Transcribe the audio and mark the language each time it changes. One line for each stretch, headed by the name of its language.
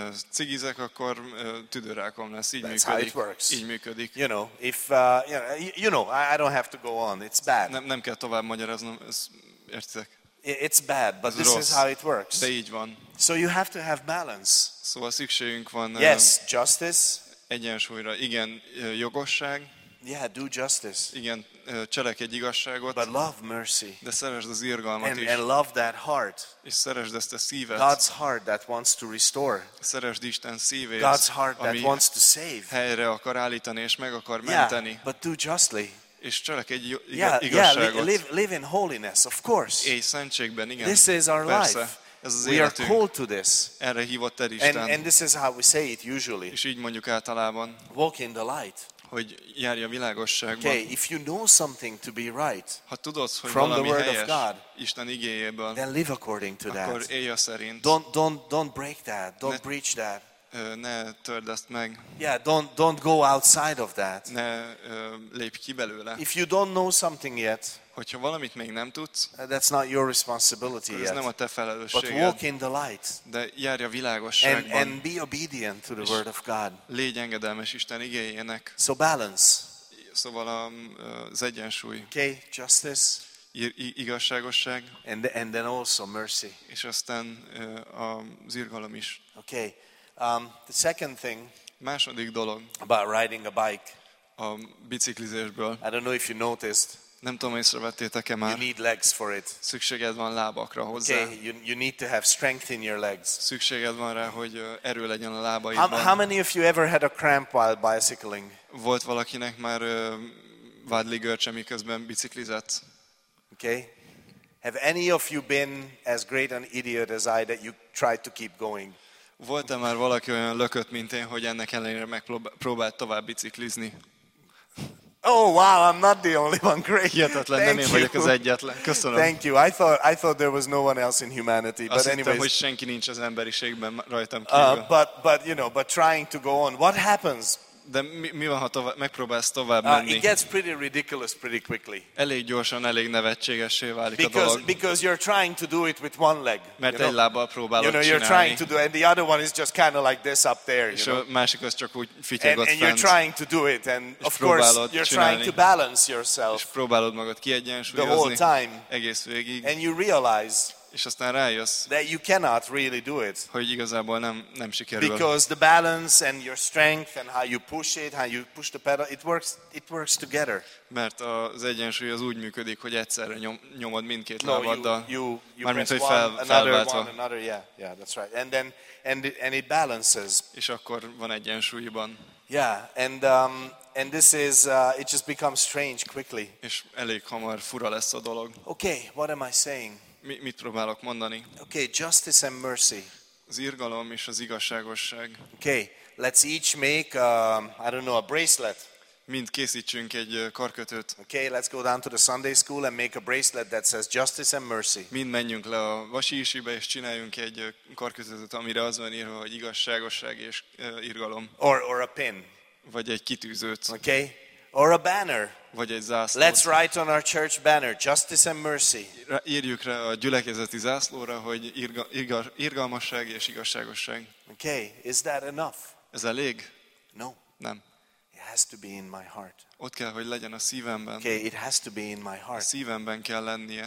Hungarian: Cigizek, akkor tüdőrákom lesz. Így
English: that's
Hungarian: működik.
English: How it works.
Hungarian: Így működik.
English: You know, if you know, I don't have to go on. It's bad.
Hungarian: Nem kell tovább magyaroznom, ez értitek?
English: It's bad, but
Hungarian: ez
English: this
Hungarian: rossz.
English: Is how it works.
Hungarian: De így van.
English: So you have to have balance.
Hungarian: Szóval szükségünk van.
English: Yes, justice.
Hungarian: Egyensúlyra, igen, jogosság.
English: Yeah, do justice.
Hungarian: Igen, cselekedj igazságot.
English: But love mercy.
Hungarian: De szeresd az irgalmat
English: and,
Hungarian: is.
English: And love that heart.
Hungarian: És szeresd ezt a szívet.
English: God's heart that wants to restore.
Hungarian: Szeresd Isten szívét.
English: God's heart that wants to save.
Hungarian: Helyre akar állítani és meg akar menteni.
English: Yeah, but do justly.
Hungarian: És cselekedj igazságot.
English: Yeah, live in holiness, of course.
Hungarian: Élj szentségben, igen.
English: This is our
Hungarian: persze.
English: Life.
Hungarian: Ez az
English: we
Hungarian: életünk.
English: Are called to this.
Hungarian: Erre hívott el Isten.
English: And this is how we say it usually.
Hungarian: És így mondjuk általában.
English: Walk in the light.
Hungarian: Hogy járj a világosságban.
English: Okay, if you know something to be right,
Hungarian: ha tudod, hogy
English: from
Hungarian: valami
English: the word
Hungarian: helyes,
English: of God,
Hungarian: Isten igéjéből,
English: then live according to that.
Hungarian: Akkor élj a szerint.
English: Don't break that. Don't breach that.
Hungarian: Ne törd ezt meg.
English: Yeah, don't go outside of that.
Hungarian: Ne lépj ki belőle.
English: If you don't know something yet,
Hungarian: hogyha valamit még nem tudsz,
English: that's not your responsibility
Hungarian: ez
English: yet.
Hungarian: Nem a te felelősséged.
English: But walk in the light.
Hungarian: De járj a világosságban.
English: And be obedient to the word of God.
Hungarian: Légy engedelmes Isten igéjének.
English: So balance.
Hungarian: Szóval az egyensúly.
English: Okay, justice.
Hungarian: Igazságosság.
English: And then also mercy.
Hungarian: És aztán az irgalom is.
English: Okay. The second thing
Hungarian: második dolog
English: about riding a bike.
Hungarian: A biciklizésből.
English: I don't know if you noticed.
Hungarian: Nem tudom, észrevettétek-e már.
English: You need legs for it.
Hungarian: Szükséged van lábakra hozzá.
English: Okay, you need to have strength in your legs.
Hungarian: Szükséged van rá, hogy erő legyen a lábaidban.
English: How many of you ever had a cramp while bicycling?
Hungarian: Volt valakinek már vádli görcse, miközben biciklizett?
English: Okay. Have any of you been as great an idiot as I that you tried to keep going?
Hungarian: Volt-e már valaki olyan lökött, mint én, hogy ennek ellenére megpróbált tovább biciklizni?
English: Oh wow, I'm not the only one. Great.
Hungarian: Hihetetlen, nem én vagyok az egyetlen. Köszönöm.
English: Thank you. I thought there was no one else in humanity.
Hungarian: Azt
English: but anyway,
Hungarian: hogy senki nincs az emberiségben rajtam kívül.
English: But trying to go on. What happens?
Hungarian: De mi van, ha megpróbálsz tovább menni?
English: It gets pretty ridiculous pretty quickly.
Hungarian: Elég gyorsan, elég nevetségessé válik
English: because,
Hungarian: a dolog.
English: Because you're trying to do it with one leg.
Hungarian: Mert egy lábbal próbálod csinálni.
English: You're trying to do it, and the other one is just kind of like this up there.
Hungarian: És a másik az csak úgy fityeg ott fent.
English: And you're trying to do it, and of course you're trying to balance yourself.
Hungarian: És próbálod magad kiegyensúlyozni.
English: The whole time.
Hungarian: Egész végig.
English: And you realize.
Hungarian: És aztán rájössz,
English: that you cannot really do it.
Hungarian: Hogy igazából nem sikerül.
English: Because the balance and your strength and how you push it, how you push the pedal, it works together.
Hungarian: Mert az egyensúly az úgy működik, hogy egyszerre nyomod mindkét lábaddal.
English: You
Hungarian: mármint, hogy felváltva.
English: Another, yeah, that's right. And it balances.
Hungarian: És akkor van egyensúlyban.
English: Yeah, and this is it just becomes strange quickly.
Hungarian: És elég hamar fura lesz a dolog.
English: Okay, what am I saying?
Hungarian: Mit próbálok mondani?
English: Okay, justice and mercy.
Hungarian: Az irgalom és az igazságosság.
English: Okay, let's each make a bracelet.
Hungarian: Mind készítsünk egy karkötőt.
English: Okay, let's go down to the Sunday school and make a bracelet that says justice and mercy.
Hungarian: Mind menjünk le a vasisibe és csináljunk egy karkötőt, amire az van írva, hogy igazságosság és irgalom.
English: Or a pin.
Hungarian: Vagy egy kitűzőt.
English: Okay. Or a banner.
Hungarian: Vagy egy zászlót.
English: Let's write on our church banner, justice and mercy.
Hungarian: Írjuk rá a gyülekezeti zászlóra, hogy irgalmasság és igazságosság.
English: Okay, is that enough?
Hungarian: Ez elég?
English: No.
Hungarian: Nem.
English: It has to be in my heart.
Hungarian: Ott kell, hogy legyen a szívemben.
English: Okay, it has to be in my heart.
Hungarian: A szívemben kell lennie.